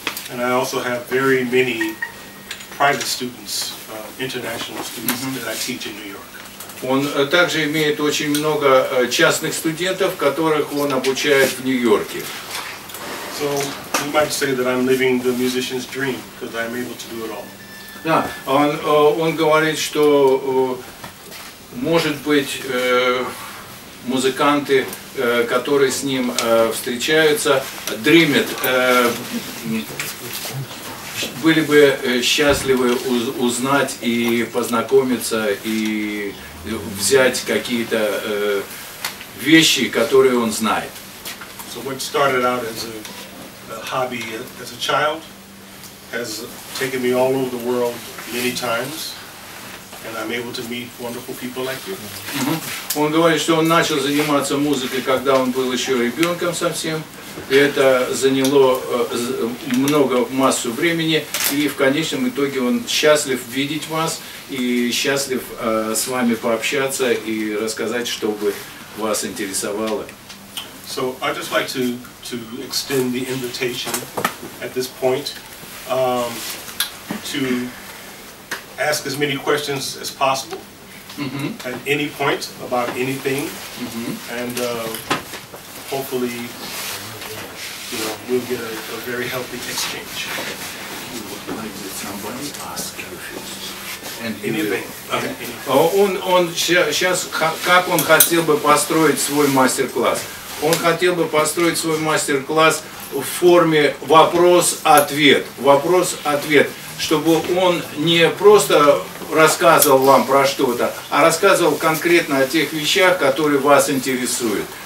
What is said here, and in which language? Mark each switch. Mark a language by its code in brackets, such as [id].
[en] And I also have very many private students, international students that I teach in New York. [ru] Он также имеет очень много частных студентов, которых он обучает в Нью-Йорке. [en] So you might say that I'm living the musician's dream because I'm able to do it all. [ru] Да, он говорит, что может быть музыканты, которые с ним встречаются, dreamed, были бы счастливы узнать и познакомиться и взять какие-то вещи, которые он знает. [en] So what started out as a hobby as a child has taken me all over the world many times. And I'm able to meet wonderful people like you. [ru] Он говорит, что он начал заниматься музыкой, когда он был еще ребенком совсем. И это заняло много массу времени. И в конечном итоге он счастлив видеть вас и счастлив с вами пообщаться и рассказать, что бы вас интересовало. [en] So I'd just like to extend the invitation at this point to ask as many questions as possible at any point about anything, and hopefully, you know, we'll get a very healthy exchange. You would like that somebody ask you first. [ru] Он сейчас, как он хотел бы построить свой мастер-класс? Он хотел бы построить свой мастер-класс в форме вопрос-ответ. Вопрос-ответ. Чтобы он не просто рассказывал вам про что-то, а рассказывал конкретно о тех вещах, которые вас интересуют.